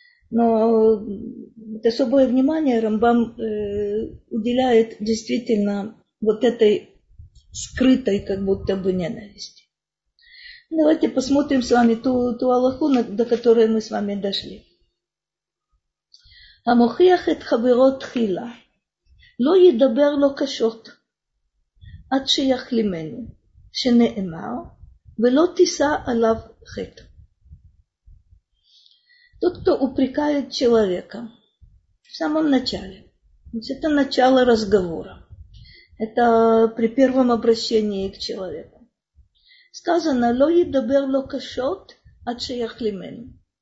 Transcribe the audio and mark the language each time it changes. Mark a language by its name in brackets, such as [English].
[Russian] Но особое внимание Рамбам уделяет действительно вот этой скрытой как будто бы ненависти. Давайте посмотрим с вами ту алаху, до которой мы с вами дошли. [Hebrew] המוכיח את חברו תחילה, לא ידבר לו קשות, עד שיחלימנו, שנאמר, ולא תישא עליו חטא. [Russian] Тот, кто упрекает человека, в самом начале, это начало разговора, это при первом обращении к человеку, сказано, [Hebrew] לא ידבר לו קשות, עד שיחלימנו.